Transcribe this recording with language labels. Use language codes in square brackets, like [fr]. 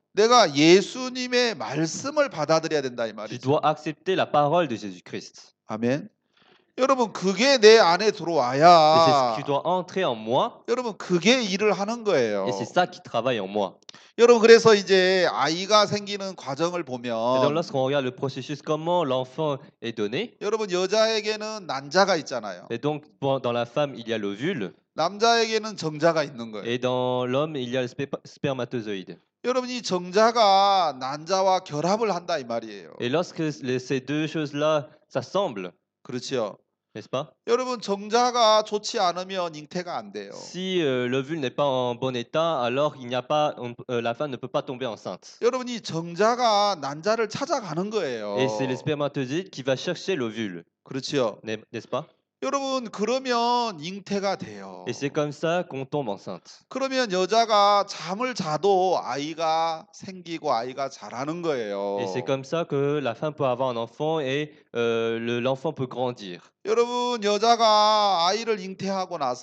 [ko] 내가 예수님의 말씀을 받아들여야 된다 이 [fr] Tu dois accepter la parole de Jésus-Christ. [ko] 말이죠. 아멘. 여러분, 그게 내 안에 [fr] Et c'est ce qui [ko] 들어와야 [fr] doit entrer en moi. [ko] 여러분, 그게 일을 하는 [fr] Et c'est [ko] 거예요. [fr] ça qui travaille en moi. [ko] 여러분, 그래서 이제 아이가 생기는 과정을 [fr] Et donc, [ko] 보면 [fr] lorsqu'on regarde le processus, comment l'enfant est donné, [ko] 여러분, 여자에게는 난자가 있잖아요. [fr] et donc dans la femme, il y a l'ovule, [ko] 남자에게는 정자가 있는 거예요. [fr] et dans l'homme, il y a le spermatozoïde. [ko] 여러분, 이 정자가 난자와 결합을 한다 이 말이에요. [fr] Et lorsque ces deux choses-là s'assemblent, [ko] 그렇죠? [fr] n'est-ce pas? [ko] 여러분, 정자가 좋지 않으면 잉태가 안 돼요. [fr] Si l'ovule n'est pas en bon état, alors il n'y a pas, la femme ne peut pas tomber enceinte. [ko] 여러분, 이 정자가 난자를 찾아가는 [fr] Et c'est le [ko] 거예요. [fr] spermatozoïde qui va chercher l'ovule, [ko] 그렇죠? [fr] n'est-ce pas? [ko] 여러분, 그러면 잉태가 돼요. [fr] c'est comme ça qu'on tombe enceinte. [ko] 그러면 여자가 잠을 자도 아이가 생기고 아이가 자라는 [fr] Et c'est comme ça que la femme peut avoir un enfant et l'enfant peut grandir. [ko] 여러분, 여자가 아이를 잉태하고